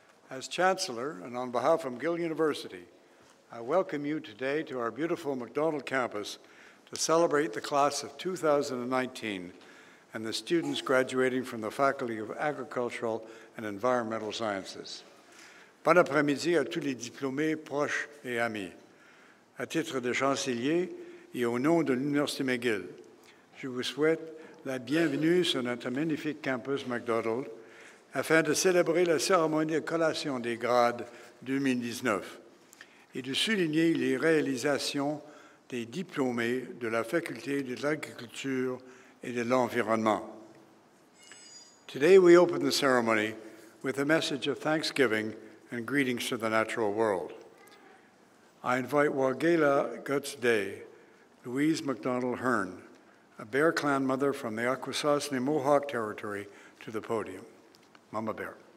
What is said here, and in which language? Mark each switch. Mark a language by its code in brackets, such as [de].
[en] As Chancellor, and on behalf of McGill University, I welcome you today to our beautiful McDonald campus to celebrate the class of 2019 and the students graduating from the Faculty of Agricultural and Environmental Sciences. [fr] Bon après-midi à tous les diplômés, proches et amis. À titre de chancelier, et au nom de l'Université McGill, je vous souhaite la bienvenue sur notre magnifique campus McDonald afin de célébrer la cérémonie de collation des grades 2019 et de souligner les réalisations des diplômés de la Faculté de l'Agriculture et de l'Environnement. [en] Today we open the ceremony with a message of thanksgiving and greetings to the natural world. I invite Wargela Guts Day, Louise McDonald Hearn, a Bear Clan mother from the Akwesasne Mohawk Territory, to the podium. Mama Bear.